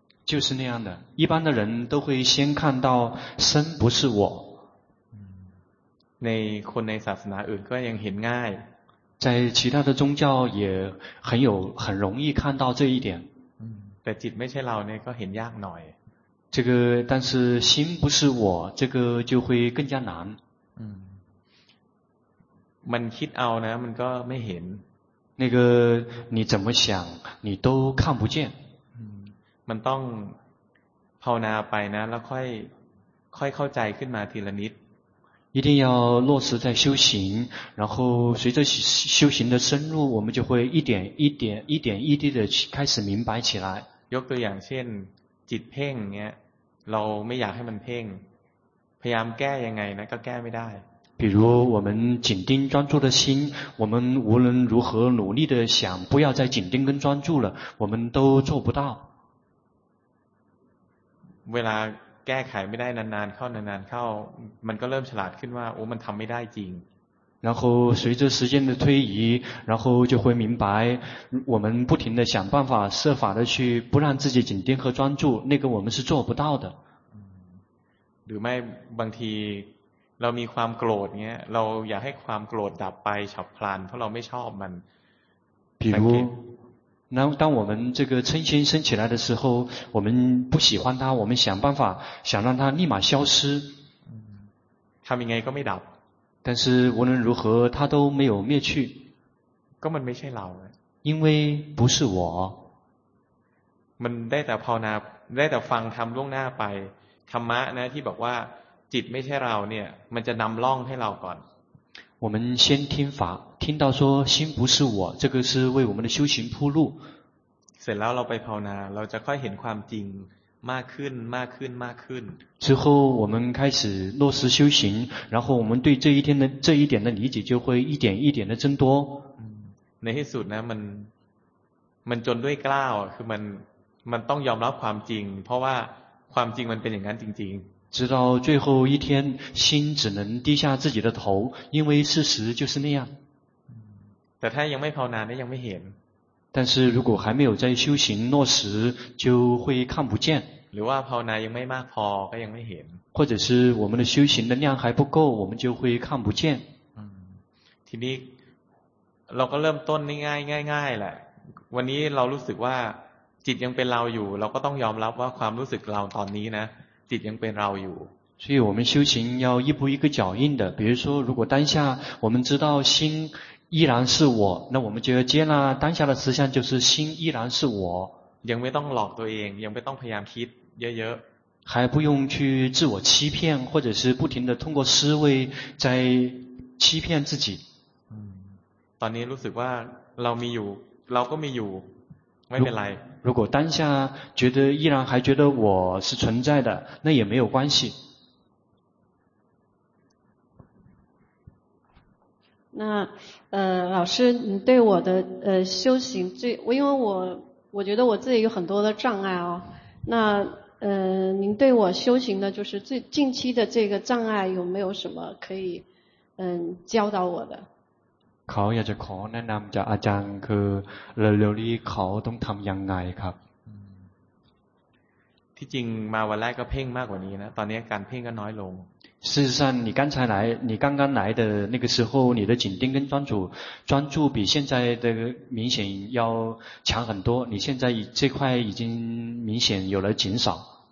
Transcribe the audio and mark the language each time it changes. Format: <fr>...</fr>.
<zh>就是那样的，一般的人都会先看到身不是我。</zh> <th>ในคนในศาสนาอื่นก็ยังเห็นง่าย。</th> <zh>在其他的宗教也很容易看到这一点。</zh> <th>แต่จิตไม่ใช่เราเนี่ยก็เห็นยากหน่อย。</th> <zh>这个但是心不是我，这个就会更加难。</zh> <th>มันคิดเอานะมันก็ไม่เห็น。</th> <zh>那个你怎么想，你都看不见。</zh> <th>มันต้องภาวนาไปนะแล้วค่อยเข้าใจขึ้นมาทีละนิด</th> <zh>一定要落实在修行然后随着修行的深入我们就会一点一点一点一滴的开始明白起来</zh> <th>ยกตัวอย่างเช่นจิตเพ่งเนี้ยเราไม่อยากให้มันเพ่งพยายามแก้ยังไงนะก็แก้ไม่ได้</th> <zh>比如我们紧盯专注的心，我们无论如何努力的想不要再紧盯跟专注了，我们都做不到。</zh> <th>เวลาแก้ไขไม่ได้นานๆเข้านานๆเข้ามันก็เริ่มฉลาดขึ้นว่าโอ้มันทำไม่ได้จริง</th> <zh>然后随着时间的推移然后就会明白我们不停的想办法设法的去不让自己紧盯和专注那个我们是做不到的</zh> <th>หรือไม่บางทีเรามีความโกรธเนี้ยเราอยากให้ความโกรธดับไปฉับพลันเพราะเราไม่ชอบมัน</th> <zh>比如那当我们这个嗔心升起来的时候，我们不喜欢它，我们想办法想让它立马消失。</zh> <th>ทำยังไงก็ไม่ดับ。</th> <zh>但是无论如何，它都没有灭去。</zh> <th>ก็มันไม่ใช่เรา。</th> <zh>因为不是我。</zh> <th>มันได้แต่ภาวนาได้แต่ฟังธรรมล่วงหน้าไปธรรมะนะที่บอกว่าจิตไม่ใช่เราเนี่ยมันจะนำล่องให้เราก่อน。</th> <zh>我们先听法，听到说心不是我，这个是为我们的修行铺路。</zh> <th>เสร็จแล้วเราไปภาวนาเราจะค่อยเห็นความจริงมากขึ้นมากขึ้นมากขึ้น。</th> <zh>之后我们开始落实修行，然后我们对这一点的理解就会一点一点的增多。</zh> <th>ในที่สุดนะมันจนด้วยกล้าวคือมันต้องยอมรับความจริงเพราะว่าความจริงมันเป็นอย่างนั้นจริง</th> <zh>直到最后一天，心只能低下自己的头，因为事实就是那样。</zh> <th>แต่ถ้ายังไม่ภาวนาเนี่ยยังไม่เห็น。</th> <zh>但是如果还没有在修行落实，就会看不见。</zh> <th>หรือว่าภาวนายังไม่มากพอก็ยังไม่เห็น。</th> <zh>或者是我们的修行的量还不够，我们就会看不见。</zh> <th>ทีนี้เราก็เริ่มต้นง่ายง่ายง่ายแหละวันนี้เรารู้สึกว่าจิตยังเป็นเราอยู่เราก็ต้องยอมรับว่าความรู้สึกเราตอนนี้นะจิตยังเป็นเราอยู่</th> <zh>所以我们修行要一步一个脚印的比如说如果当下我们知道心依然是我那我们就要接纳当下的实相就是心依然是我</zh> <th>ยังไม่ต้องหลอกตัวเองยังไม่ต้องพยายามคิดเยอะ</th> <zh>ๆ还不用去自我欺骗或者是不停的通过思维在欺骗自己</zh> <th>ตอนนี้รู้สึกว่าเรามีอยู่เราก็มีอยู่</th> <zh>如果当下觉得依然还觉得我是存在的，那也没有关系。那老师，你对我的修行最，因为我觉得我自己有很多的障碍哦。那您对我修行的就是最近期的这个障碍有没有什么可以教导我的？</zh> <th>เขาอยากจะขอแนะนำจากอาจารย์คือเร็วๆนี้เขาต้องทำยังไงครับ ที่จริงมาวันแรกก็เพ่งมากกว่านี้นะตอนนี้การเพ่งก็น้อยลง</th> <zh>事实上你刚才来你刚刚来的那个时候你的紧盯跟专注比现在的明显要强很多你现在这块已经明显有了减少</zh>